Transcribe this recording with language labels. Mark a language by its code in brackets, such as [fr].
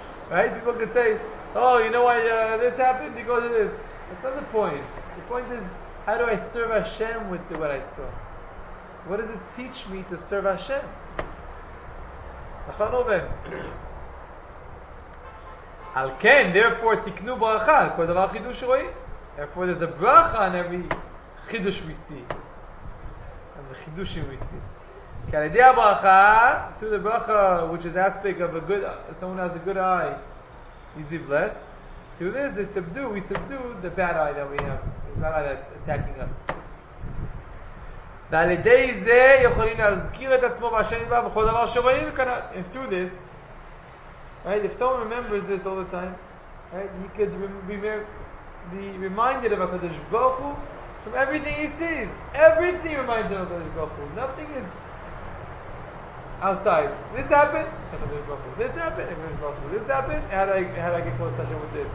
[en] Right, people could say, oh, you know why this happened? Because of this. That's not the point. The point is, how do I serve Hashem with what I saw? What does this teach me to serve Hashem? [he] על כן, [en] therefore, [he] תקנו ברכה על כל דבר חידוש שרואים. [en] Therefore, there's a ברכה on every חידוש we see. On the חידושים we see. [he] כי על ידי הברכה, [en] through the ברכה, which is aspect of a good, someone has a good eye, he's be blessed. Through this, they subdue, we subdue the bad eye that we have, the bad eye that's attacking us. [he] ועל ידי זה יכולים להזכיר את עצמו מהשם נדבר בכל דבר שרואים וכנת. [en] And through this, right, if someone remembers this all the time, right, he could be reminded of HaKadosh Baruch Hu from everything he sees. Everything reminds him of HaKadosh Baruch Hu. Nothing is outside. This happened, it's HaKadosh Baruch Hu. This happened, it's HaKadosh Baruch Hu. This happened, how do I get close to Hashem with this?